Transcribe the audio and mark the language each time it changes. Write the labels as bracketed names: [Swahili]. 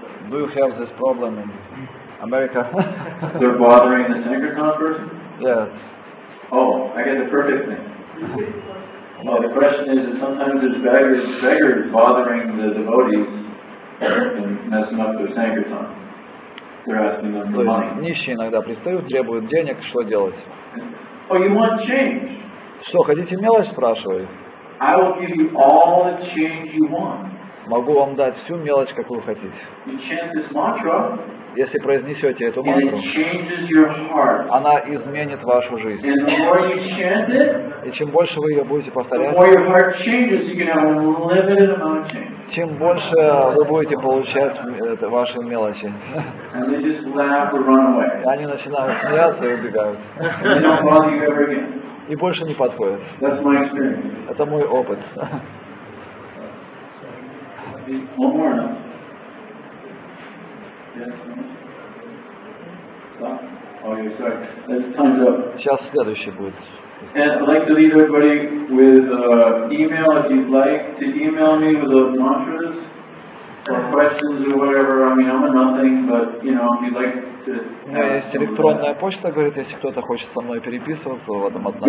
[English] Do you have this problem in America? They're bothering the synagogue person? Yes. Oh, I get the perfect thing. Well, the question is that sometimes there's beggars bothering the devotees and messing up their sankirtan. They're asking them for money. [Russian] Нищие иногда пристают, требуют денег, что делать? [English] Oh, you want change? [Russian] Что, хотите мелочь, спрашивают? [English] I will give you all the change you want. [Russian] Могу вам дать всю мелочь, какую вы хотите. [English] You chant this mantra, [Russian] если произнесете эту мантру, [English] it changes your heart. [Russian] Она изменит вашу жизнь. [English] And the more you chant it, [Russian] и чем больше вы ее будете повторять, [English] the more your heart changes, you can have unlimited amount of change. [Russian] Чем больше вы будете получать ваши мелочи. [English] And they just laugh or run away. [Russian] Они начинают смеяться и убегают. [English] They don't bother you ever again. [Russian] И больше не подходят. [English] That's my experience. [Russian] Это мой опыт. [English] One more now. Yes. Stop. Oh, you're sorry. [Russian] Сейчас следующий будет. [English] And I'd like to leave everybody with email if you'd like to email me with those mantras or questions or whatever. I mean, I'm a nothing, but you know, if you'd like to. [Russian] У меня есть электронная почта, говорит, если кто-то хочет со мной переписываться, в этом одном.